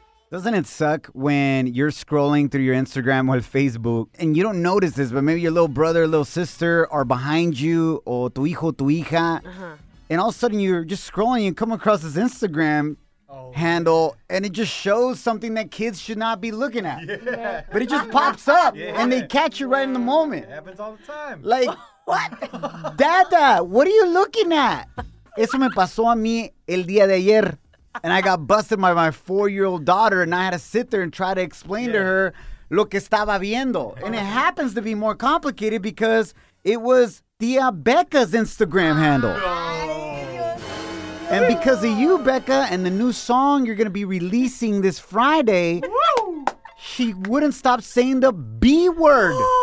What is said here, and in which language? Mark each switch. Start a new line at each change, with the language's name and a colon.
English: Doesn't it suck when you're scrolling through your Instagram or Facebook and you don't notice this, but maybe your little brother, little sister are behind you, or
Spanish: tu hijo, tu hija, uh-huh.
English: And all of a sudden you're just scrolling and come across this Instagram handle, and it just shows something that kids should not be looking at. Yeah. But it just pops up, and they catch you right in the moment. It happens all the time. Like, what? Dada, what are you looking at?
Spanish: Eso me pasó a mí el día de ayer.
English: And I got busted by my 4-year-old daughter, and I had to sit there and try to explain to her
Spanish: lo que estaba viendo.
English: And it happens to be more complicated because it was Tia Becca's Instagram handle. And because of you, Becca, and the new song you're going to be releasing this Friday, she wouldn't stop saying the B word.